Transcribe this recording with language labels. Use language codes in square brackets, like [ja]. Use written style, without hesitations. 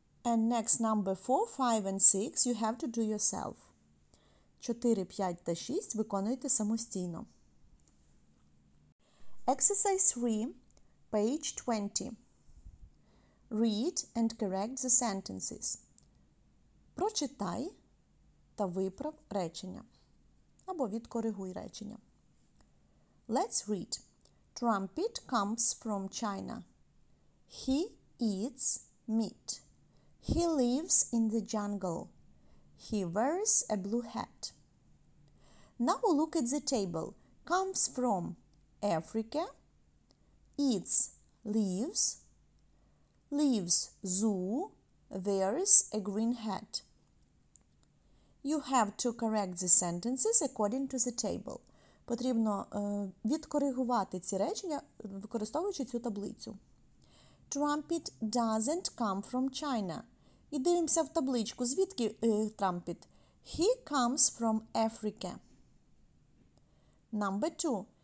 [en] And next number 4, 5 and 6 you have to do yourself. [uk] 4, 5 та 6 виконуйте самостійно. [en] Exercise 3, page 20. Read and correct the sentences. [uk] Прочитай та виправ речення. Або відкоригуй речення. [en] Let's read. Trumpet comes from China. He eats meat. He lives in the jungle. He wears a blue hat. Now we'll look at the table. Comes from Africa. Eats leaves. Leaves zoo. Wears a green hat. You have to correct the sentences according to the table. [uk] Потрібно відкоригувати ці речення, використовуючи цю таблицю. [en] Trumpet doesn't come from China. [uk] І дивимося в табличку, звідки Trumpet? [en] He comes from Africa. Number 2.